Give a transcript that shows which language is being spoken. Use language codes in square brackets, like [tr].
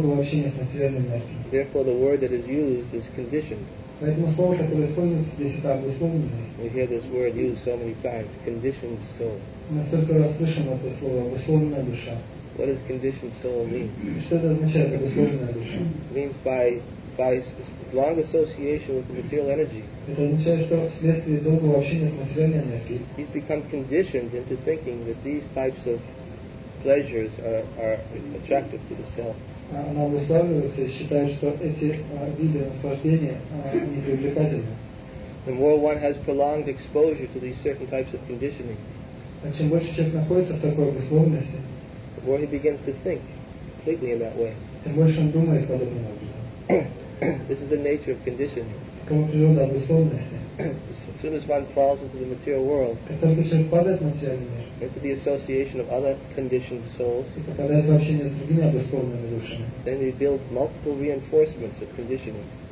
[en] Therefore, the word that is used is conditioned. [ru] Поэтому слово, которое используется здесь, это обусловленное. [en] We hear this word used so many times, conditioned soul. [ru] Мы столько раз слышим это слово, обусловленная душа. [en] What does conditioned soul mean? [ru] Что это означает, обусловленная душа? [en] It means by long association with the material energy. [ru] Это означает, что вследствие долгого общения с материальной энергией. [en] He's become conditioned into thinking that these types of pleasures are attractive to the self. [ru] Она обуславливается и считает, что эти виды наслаждения не привлекательны. [en] The more one has prolonged exposure to these certain types of conditioning, [ru] чем больше человек находится в такой обусловленности, [en] the more he begins to think completely in that way. [ru] Тем больше он думает подобным образом. [en] This is the nature of conditioning. [ru] Какова природа обусловленности? [en] As soon as one falls into the material world, into the association of other conditioned souls, then you build multiple reinforcements of conditioning.